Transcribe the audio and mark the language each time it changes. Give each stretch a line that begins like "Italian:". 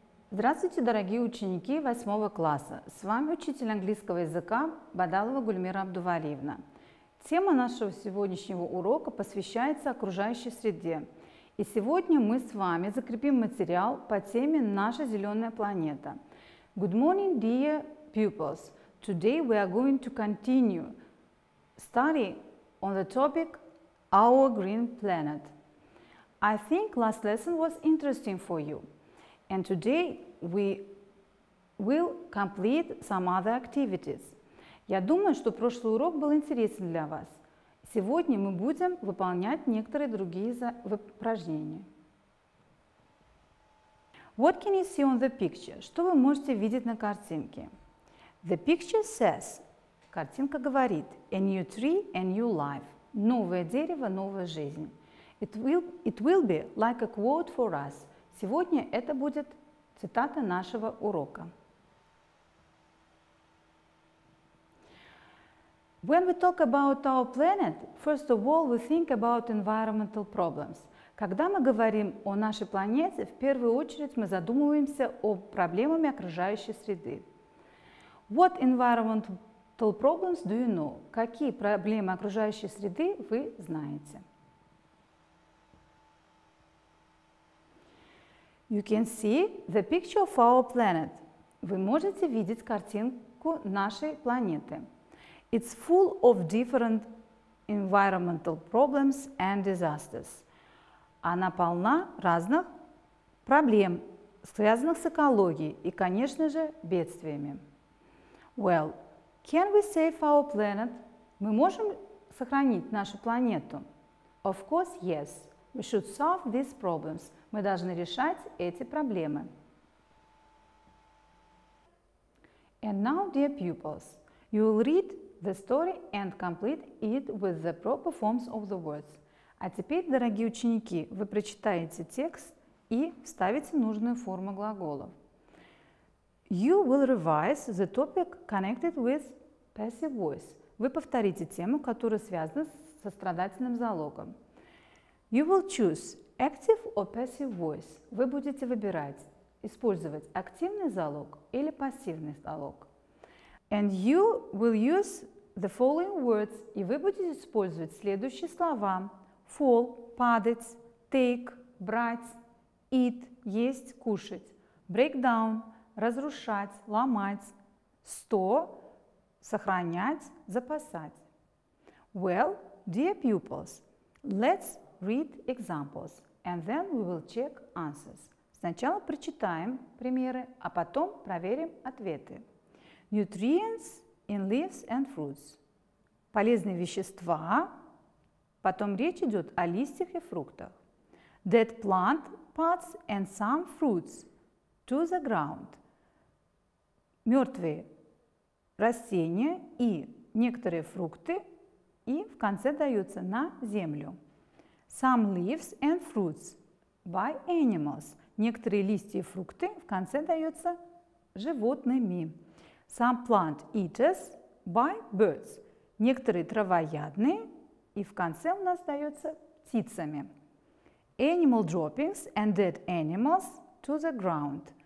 Russian: Здравствуйте, дорогие ученики 8 класса! С вами учитель английского языка Бадалова Гульмира Абдувалиевна. Тема нашего сегодняшнего урока посвящается окружающей среде. И сегодня мы с вами закрепим материал по теме «Наша зеленая планета».
English: Good morning, dear pupils! Today we are going to continue study on the topic «Our green planet». I think last lesson was interesting for you. And today we will complete some other activities.
Russian: Я думаю, что прошлый урок был интересен для вас. Сегодня мы будем выполнять некоторые другие упражнения.
English: What can you see on the picture?
Russian: Что вы можете видеть на картинке?
English: The picture says,
Russian: картинка говорит,
English: a new tree, a new life.
Russian: Новое дерево, новая жизнь.
English: It will be like a quote for us.
Russian: Сегодня это будет цитата нашего урока.
English: When we talk about our planet, first of all, we think about environmental problems.
Russian: Когда мы говорим о нашей планете, в первую очередь мы задумываемся о проблемах окружающей среды.
English: What environmental problems do you know?
Russian: Какие проблемы окружающей среды вы знаете?
English: You can see the picture of our planet.
Russian: Вы можете видеть картинку нашей планеты.
English: It's full of different environmental problems and disasters.
Russian: Она полна разных проблем, связанных с экологией и, конечно же, бедствиями.
English: Well, can we save our planet?
Russian: Мы можем сохранить нашу планету?
English: Of course, yes. We should solve these problems.
Russian: Мы должны решать эти проблемы.
English: And now, dear pupils, you will read the story and complete it with the proper forms of the words.
Russian: А теперь, дорогие ученики, вы прочитаете текст и вставите нужную форму глаголов.
English: You will revise the topic connected with passive voice.
Russian: Вы повторите тему, которая связана со страдательным залогом.
English: You will choose active or passive voice.
Russian: Вы будете выбирать, использовать активный залог или пассивный залог.
English: And you will use the following words.
Russian: И вы будете использовать следующие слова. Fall – падать, take – брать, eat – есть, кушать, break down – разрушать, ломать, store – сохранять, запасать.
English: Well, dear pupils, let's read examples, and then we will check answers.
Russian: Сначала прочитаем примеры, а потом проверим ответы.
English: Nutrients in leaves and fruits –
Russian: полезные вещества. Потом речь идет о листьях и фруктах.
English: Dead plant parts and some fruits to the ground.
Russian: Мертвые растения и некоторые фрукты и в конце даются на землю.
English: Some leaves and fruits by animals.
Russian: Некоторые листья и фрукты в конце даются животными.
English: Some plant eaters by birds.
Russian: Некоторые травоядные. И в конце у нас остается птицами.
English: Animal droppings and dead animals to the ground.